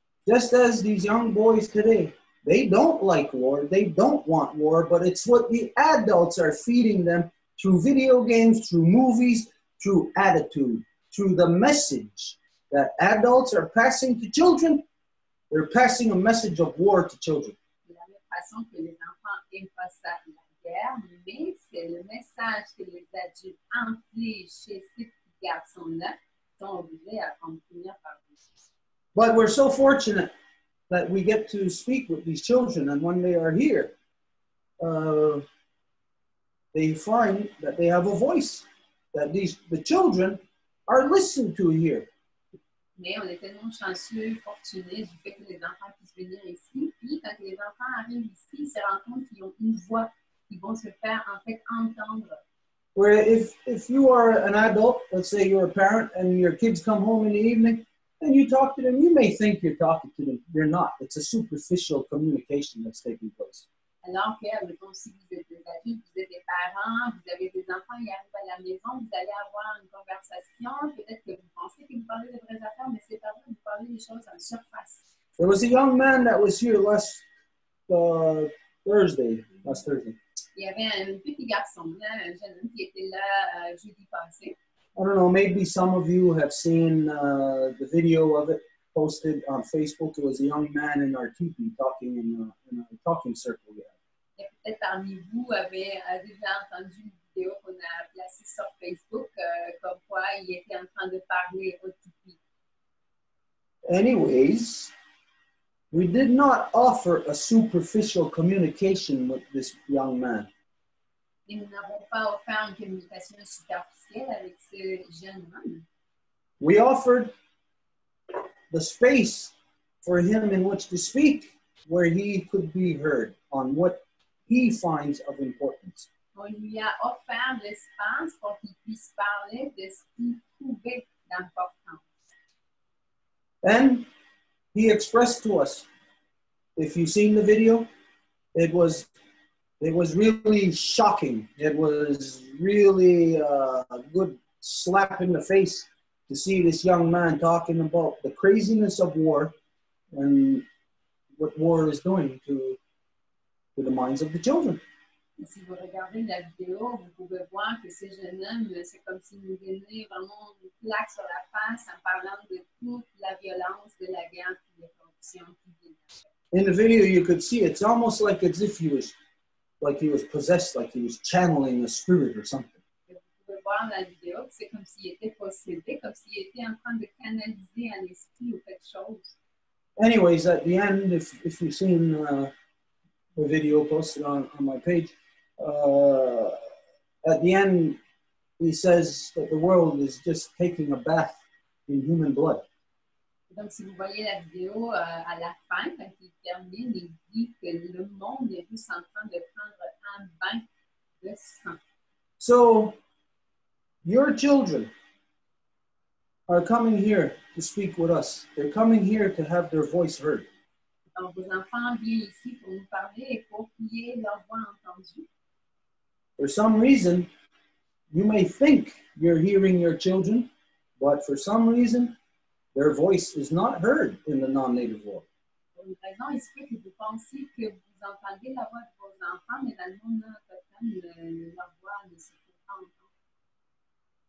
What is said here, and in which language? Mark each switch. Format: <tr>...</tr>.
<en>Just as these young boys today. They don't like war, they don't want war, but it's what the adults are feeding them through video games, through movies, through attitude, through the message that adults are passing to children. They're passing a message of war to children.</en> <fr>De la même façon que les enfants aiment pas ça, la guerre, mais c'est le message que les adultes enfligent chez ces petits garçons-là sont obligés à continuer par vous.</fr> <en>But we're so fortunate that we get to speak with these children, and when they are here, they find that they have a voice, that the children are listened to here.</en> <fr>Mais on est tellement chanceux, fortunés du fait que les enfants puissent venir ici. Puis quand les enfants arrivent ici, ils se rendent compte qu'ils ont une voix, qu'ils vont se faire en fait entendre.</fr> <en>Where if you are an adult, let's say you're a parent, and your kids come home in the evening, and you talk to them. You may think you're talking to them. You're not. It's a superficial communication that's taking place.</en> <fr>Alors que, mettons, si vous êtes des amis, vous êtes des parents, vous avez des enfants, ils arrivent à la maison, vous allez avoir une conversation, peut-être que vous pensez que vous parlez de vraies affaires, mais c'est pas vrai, vous parlez des choses en surface.</fr> <en>There was a young man that was here last Thursday.</en> <fr>Il y avait un petit garçon, là, un jeune homme qui était là jeudi passé.</fr> <en>I don't know, maybe some of you have seen the video of it posted on Facebook. It was a young man in our teepee talking in a talking circle there.</en> <fr>Peut-être parmi vous avez déjà entendu une vidéo qu'on a placée sur Facebook, comme quoi il était en train de parler au teepee.</fr> <en>Anyways, we did not offer a superficial communication with this young man.</en> <fr>Et nous n'avons pas offert une communication superficielle avec ce jeune homme.</fr> <en>We offered the space for him in which to speak, where he could be heard on what he finds of importance.</en> <fr>On lui a offert l'espace pour qu'il puisse parler de ce qu'il trouvait d'important.</fr> <en>Then he expressed to us, if you've seen the video, it was really shocking. It was really a good slap in the face to see this young man talking about the craziness of war and what war is doing to the minds of the children.</en> <fr>Si vous regardez la vidéo, vous pouvez voir que ce jeune homme, c'est comme s'il nous donnait vraiment une claque sur la face en parlant de toute la violence de la guerre et des corruptions qui viennent.</fr> <en>In the video, you could see it's almost like as if he was possessed, like he was channeling a spirit or something.</en> <fr>Vous pouvez voir dans la vidéo que c'est comme s'il était possédé, comme s'il était en train de canaliser un esprit ou quelque chose.</fr> <en>Anyways, at the end, if you've seen the video posted on my page, at the end, he says that the world is just taking a bath in human blood.</en> <fr>Donc, si vous voyez la vidéo à la fin, quand il termine, il dit que le monde est juste en train de prendre un bain de sang.</fr> <en>So, your children are coming here to speak with us. They're coming here to have their voice heard.</en> <fr>Donc, vos enfants viennent ici pour nous parler et pour qu'il y ait leur voix entendue.</fr> <en>For some reason, you may think you're hearing your children, but for some reason, their voice is not heard in the non-native world.</en> <fr>Pour une raison, il se peut que vous pensez que vous entendez la voix de vos enfants, mais dans le monde autochtone, leur voix ne se fait pas entendre.</fr>